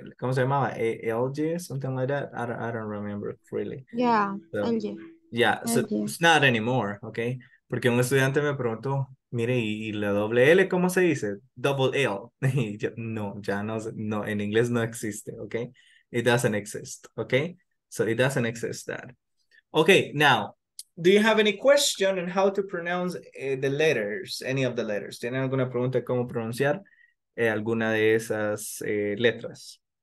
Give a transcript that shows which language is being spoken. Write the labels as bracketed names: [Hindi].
[Spanish] ¿Cómo se llamaba? [English] ALG, something like that? I don't remember, really. Yeah, so, LG. Yeah, so it's not anymore, okay? [Spanish] Porque un estudiante me preguntó, mire, ¿y la doble L cómo se dice? [English] Double L. [Spanish] Yo, no, ya no, no, en inglés no existe, okay? [English] It doesn't exist, okay? So it doesn't exist that. Okay, now, do you have any question on how to pronounce the letters, any of the letters? [Spanish] ¿Tienen alguna pregunta cómo pronunciar alguna de esas letras?